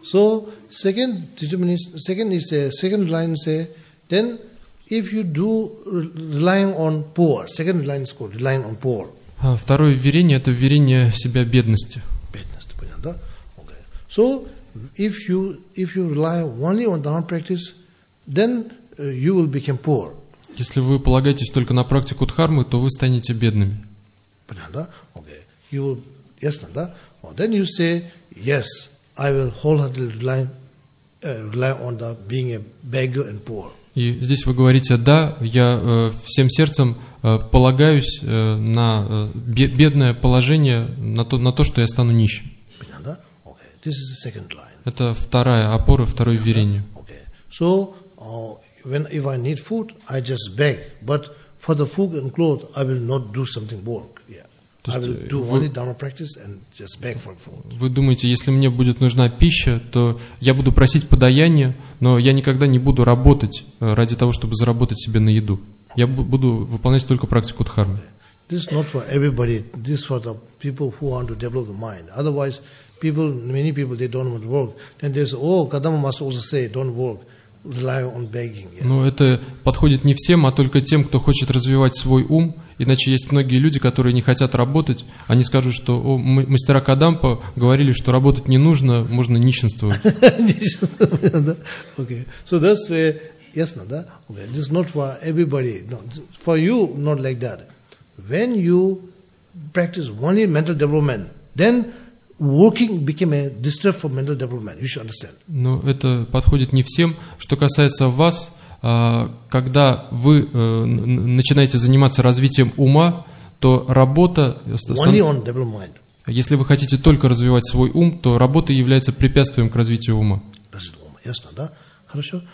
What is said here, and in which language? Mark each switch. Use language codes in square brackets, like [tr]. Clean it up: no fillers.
[en] So second, did you mean second is a second line say then if you do relying on poor, second line is called relying on poor. [ru] Второе вверение — это вверение себя бедности. Бедность, понятно, да? Okay. [en] So if you rely only on dharma practice, then you will become poor. [ru] Если вы полагаетесь только на практику дхармы, то вы станете бедными. Понятно, да? [en] Okay. You will, yes, no, да? Well, then you say, yes, I will wholeheartedly rely on the being a beggar and poor. [ru] И здесь вы говорите, да, я всем сердцем полагаюсь на бедное положение, на то, что я стану нищим. Понятно, да? [en] Okay. This is the second line. [ru] Это вторая опора, второе вверение. [en] Okay. So, when if I need food, I just beg. But for the food and clothes, I will not do something work. Yeah. I will do only dharma practice and just beg for food. [ru] Вы думаете, если мне будет нужна пища, то я буду просить подаяние, но я никогда не буду работать ради того, чтобы заработать себе на еду. Я буду выполнять только практику дхармы. [en] This is not for everybody. This is for the people who want to develop the mind. Otherwise, many people they don't want to work. Then they say, oh, Kadama must also say, don't work. Rely on begging. Yeah. [ru] Но это подходит не всем, а только тем, кто хочет развивать свой ум. Иначе есть многие люди, которые не хотят работать. Они скажут, что мастера Кадампа говорили, что работать не нужно, можно нищенствовать. Нищенствовать, да? [en] Okay. So that's where, yes, no, да? Okay. This is not for everybody. No, for you, not like that. When you practice only mental development, then working became a distress for mental development. You should understand. [ru] Но это подходит не всем. Что касается вас, когда вы начинаете заниматься развитием ума, то работа... [en] Only on development mind. [ru] Если вы хотите только развивать свой ум, то работа является препятствием к развитию ума. Развитие ума, ясно, да? Хорошо.